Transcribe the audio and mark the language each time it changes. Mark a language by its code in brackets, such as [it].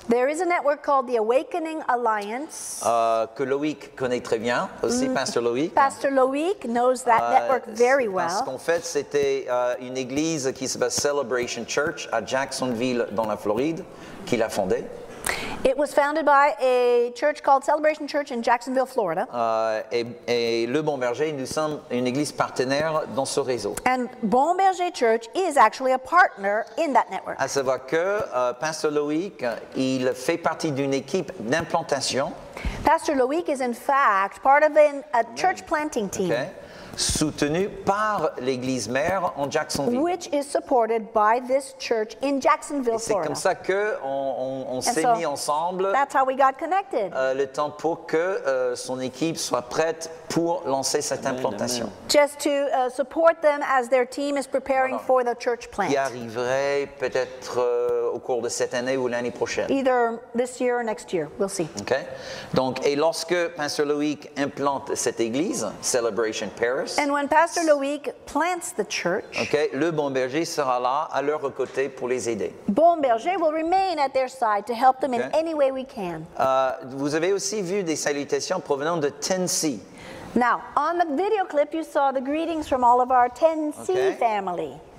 [en] There is a network called the Awakening Alliance. [fr] Que Loïc connaît très bien, aussi Pasteur Loïc. [en] Pasteur Loïc knows that network very well. [fr] Parce qu'en fait, c'était une église qui s'appelle Celebration Church à Jacksonville, dans la Floride, qui l'a fondée. [en] It was founded by a church called Celebration Church in Jacksonville, Florida. [fr] Et le Bon Berger, nous sommes une église partenaire dans ce réseau. [en] And Bon Berger Church is actually a partner in that network. [fr] À savoir que Pasteur Loïc, il fait partie d'une équipe d'implantation. [en] Pastor Loïc is in fact part of a church planting team. [fr] Okay. Soutenu par l'église mère en Jacksonville. [en] Which is supported by this church in Jacksonville, Florida. [fr] C'est comme ça que on s'est mis ensemble. [en] That's how we got connected. [fr] Le temps pour que son équipe soit prête pour lancer cette implantation. [en] Amen, amen. Just to support them as their team is preparing for the church plant. [fr] Qui arriverait peut-être au cours de cette année ou l'année prochaine. [en] Either this year or next year, we'll see. Okay. [fr] Donc, et lorsque Pasteur Loïc implante cette église, Celebration Paris, [en] and when Pastor Loïc plants the church, [fr] okay, le Bon Berger sera là à leur côté pour les aider. [en] Bon Berger will remain at their side to help them, okay, in any way we can. [fr] Vous avez aussi vu des salutations provenant de Tennessee. [en] Now, on the video clip, you saw the greetings from all of our Tennessee, okay, family.